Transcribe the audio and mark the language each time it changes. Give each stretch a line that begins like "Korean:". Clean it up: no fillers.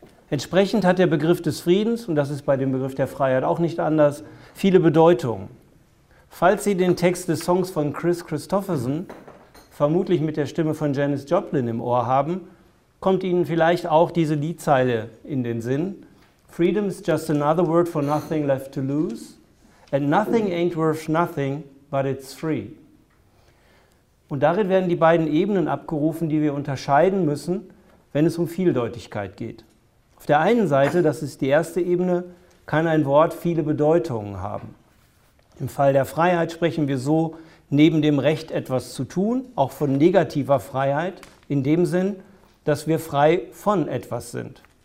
German: Entsprechend hat der Begriff des Friedens, und das ist bei dem Begriff der Freiheit auch nicht anders, viele Bedeutungen. Falls Sie den Text des Songs von Kris Kristofferson, vermutlich mit der Stimme von Janis Joplin im Ohr haben, kommt Ihnen vielleicht auch diese Liedzeile in den Sinn.
English: Freedom is just another word for nothing left to lose. And nothing ain't worth nothing, but it's free.
German: Und darin werden die beiden Ebenen abgerufen, die wir unterscheiden müssen, wenn es um Vieldeutigkeit geht. Auf der einen Seite, das ist die erste Ebene, kann ein Wort viele Bedeutungen haben. Im Fall der Freiheit sprechen wir so, neben dem Recht etwas zu tun, auch von negativer Freiheit, in dem Sinn, dass wir frei von etwas sind.